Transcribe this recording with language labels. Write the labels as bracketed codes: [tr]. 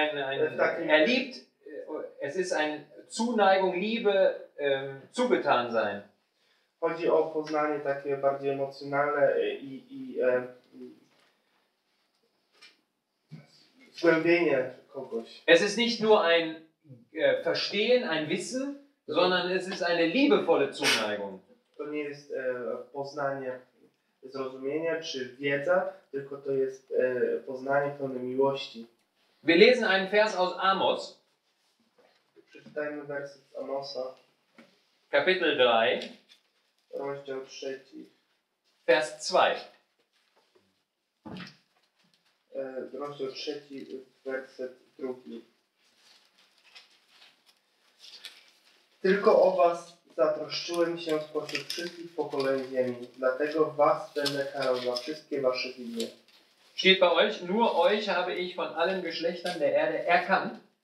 [de] erliebt, es ist ein Zuneigung, Liebe, zugetan sein. [pl] Chodzi o poznanie takie bardziej emocjonalne i zgłębienie kogoś. [de] Es ist nicht nur ein Verstehen, ein Wissen, sondern es ist eine liebevolle Zuneigung. [pl] To nie jest poznanie zrozumienia czy wiedza, tylko to jest poznanie pełne miłości. [de] Wir lesen einen Vers aus Amos. [pl] Przeczytajmy werset z Amosa. [de] Kapitel 3. [pl] Rozdział 3. [de] Vers 2. [pl] Rozdział 3, werset 2. Tylko o was zatroszczyłem się spośród wszystkich pokoleń ziemi, dlatego was będę karał za wszystkie wasze winy. [de] Steht bei euch, nur euch habe ich von allen Geschlechtern der Erde erkannt.